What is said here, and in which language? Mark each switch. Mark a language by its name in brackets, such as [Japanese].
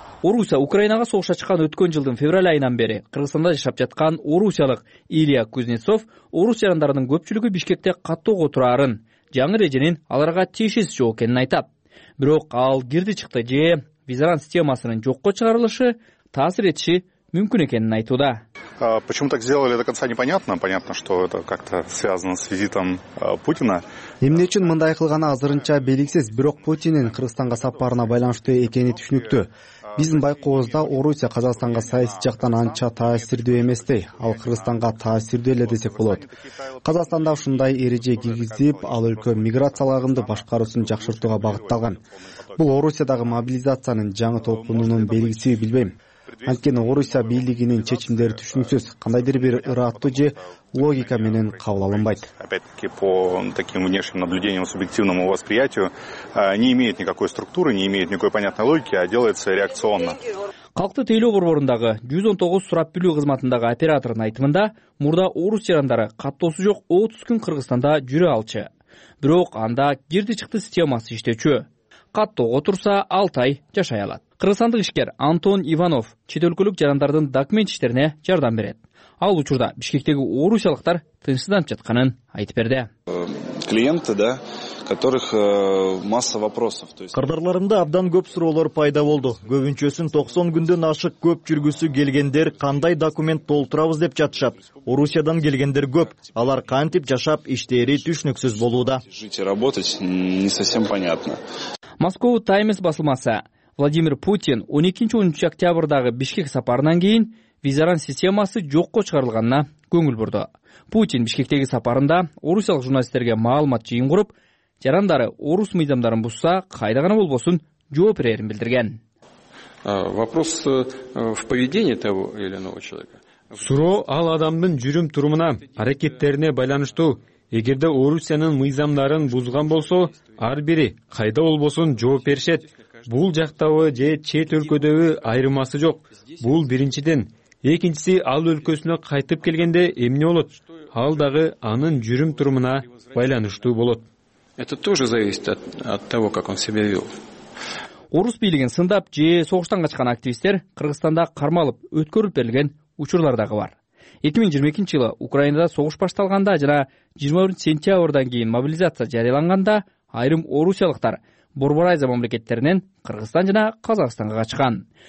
[Kyrgyz] Орусия Украинага согуш ачкан өткөн жылдын февраль айынан бери Кыргызстанда жашап жаткан орусиялык Илья Кузнецов орус жарандарынын көпчүлүгү Бишкекте каттоого тураарын, жаңы эреженин аларга тиешеси жок экенин айтат. Бирок ал кирди чыкты же визаран системасынын жокко чыгарылышы таасир этиши мүмкүн экенин айтууда. [Russian] Почему так сделали, до конца непонятно. Понятно, что это как-то связано с визитом Путина. [Kyrgyz] Эмне үчүн мындай кылганы азырынча белгисиз, бирок Путиндин Кыргызстанга сапарына байланыштуу экени түшүнүктүү. Биздин байкообузда Орусия Казакстанга саясий жактан анча таасирдүү эместей, ал Кыргызстанга таасирдүү эле десек болот. Казакстанда ушундай эреже киргизип, ал өлкө миграциялык агымды башкаруусун жакшыртууга багытталган. Бул Орусиядагы мобилизациянын жаңы толкунунун белгиси билбейм. Анткени Орусия бийлигинин чечимдери түшүнүксүз, кандайдыр бир ырааттуу же логика менен кабыл алынбайт. [Russian] Опять-таки по таким внешним наблюдениям, субъективному восприятию не имеет никакой структуры, не имеет никакой понятной логики, а делается реакционно. [Kyrgyz] Калкты тейлөө борборундагы 119 сурап билүү кызматындагы оператордун айтымында мурда орус жарандары каттоосу жок 30 күн Кыргызстанда жүрө алчу. Бирок анда кирди чыкты системасы иштечү. Каттоого турса 6 ай жашай алат. Кыргызстандык ишкер Антон Иванов чет өлкөлүк жарандардын документ иштерине жардам берет. Ал учурда Бишкектеги орусиялыктар тынчсызданып жатканын айтып берди. [Russian] Клиенты, да, которых масса вопросов. [Kyrgyz] Кардарларында абдан көп суроолор пайда болду. Көбүнчөсүн 90 күндөн ашык көп жүргүсү келгендер кандай документ толтурабыз деп жатышат. Орусиядан келгендер көп. Алар кантип жашап, иштери түшүнүксүз болууда. [Russian] Жить и работать не совсем понятно. [Kyrgyz] Москва Таймс басылмасы. Владимир Путин 12-13 октябрдагы Бишкек сапарынан кийин визаран системасы жокко чыгарылганына көңүл бурду. Путин Бишкектеги сапарында орусиялык журналисттерге маалымат жыйын куруп, жарандары орус мыйзамдарын бузса кайда гана болбосун жооп берерин билдирген. [Russian] Вопрос в поведении того или иного человека. [Kyrgyz] Суроо ал адамдын жүрүм-турумуна, аракеттерине байланыштуу. Эгерде Орусиянын мыйзамдарын бузган болсо, ар бири кайда болбосун жооп беришет. Бул жактабы же чет өлкөдөбү айырмасы жок. Бул биринчиден. Экинчиси ал өлкөсүнө кайтып келгенде эмне болот? Ал дагы анын жүрүм-турумуна байланыштуу болот. [Russian] Это тоже зависит от того, как он себя вел. [Kyrgyz] Орус бийлигин сындап же согуштан качкан активисттер Кыргызстанда кармалып өткөрүлүп берилген учурлар дагы бар. 2022 жылы Украинада согуш башталганда жана 21 сентябрдан кийин мобилизация жарыяланганда айрым орусиялыктар Борбор-Азия мамлекеттеринен Кыргызстан жана Казакстанга качкан.